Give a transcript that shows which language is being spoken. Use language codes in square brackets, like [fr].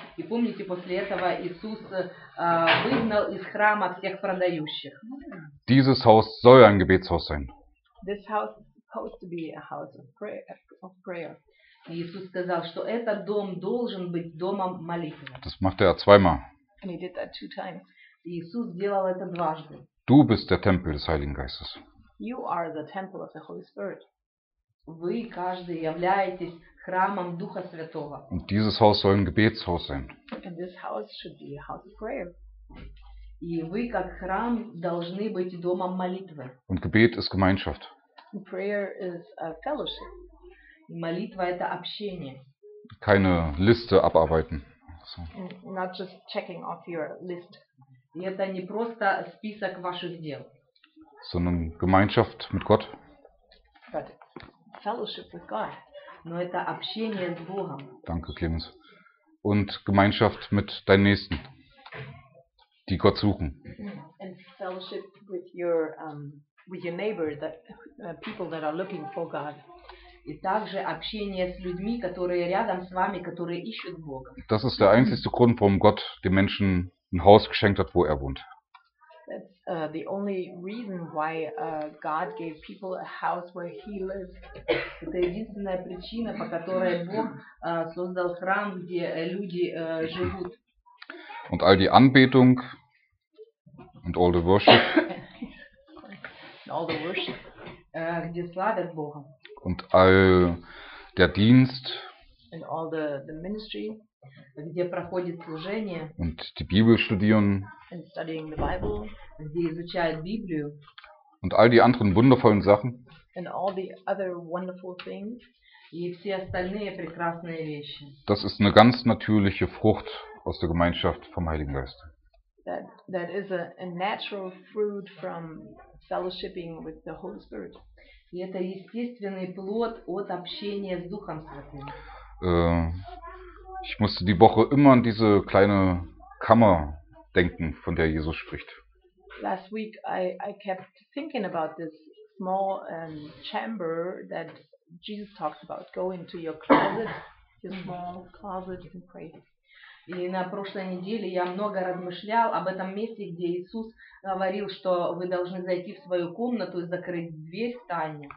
[ru] И помните, после этого Иисус выгнал из храма всех продающих. [de] Dieses Haus soll ein Gebetshaus sein. [en] This house is supposed to be a house of prayer. [ru] Иисус сказал, что этот дом должен быть домом молитвы. [de] Das machte er zweimal. [en] And he did that two times. [ru] Иисус сделал это дважды. [de] Du bist der Tempel des Heiligen Geistes. [en] You are the temple of the Holy Spirit. [ru] Вы каждый являетесь храмом Духа Святого. [de] Und dieses Haus soll ein Gebetshaus sein. [en] And this house should be a house of prayer. [ru] И вы как храм должны быть домом молитвы. [de] Und Gebet ist Gemeinschaft. [en] And prayer is a fellowship. [ru] И молитва это общение. [de] Keine Liste abarbeiten. [en] So. Not just checking off your list. [ru] И это не просто список ваших дел. [de] Sondern Gemeinschaft mit Gott. [en] But fellowship with God. [ru] Но это общение с Богом. [de] Danke, Clemens. Und Gemeinschaft mit deinen Nächsten, die Gott suchen. [en] And fellowship with your neighbor, that people that are looking for God. [ru] И также общение с людьми, которые рядом с вами, которые ищут Бога. [de] Das ist der einzige Grund, warum Gott den Menschen ein Haus geschenkt hat, wo er wohnt. [en] That's the only reason why God gave people a house where he lives. [ru] Это единственная причина, по которой Бог создал храм, где люди живут. [de] Und all die Anbetung und [en] all the worship. And all the worship. [ru] Где славят Бога. [de] Und all der Dienst. [en] And all the ministry. [ru] Где проходит служение. [de] Und die Bibel studieren. [en] And studying the Bible. [ru] Где изучают Библию. [de] Und all die anderen wundervollen Sachen. [en] And all the other wonderful things. [ru] И все остальные прекрасные вещи. [de] Das ist eine ganz natürliche Frucht aus der Gemeinschaft vom Heiligen Geist. [en] That is a natural fruit from fellowshipping with the Holy Spirit. [ru] И это естественный плод от общения с Духом Святым. [de] Ich musste die Woche immer an diese kleine Kammer denken, von der Jesus spricht. [en] Last week I kept thinking about this small chamber that Jesus talks about. Go into your closet, your small closet and pray. [ru] И на прошлой неделе я много размышлял об этом месте, где Иисус говорил, что вы должны зайти в свою комнату и закрыть дверь в тайне.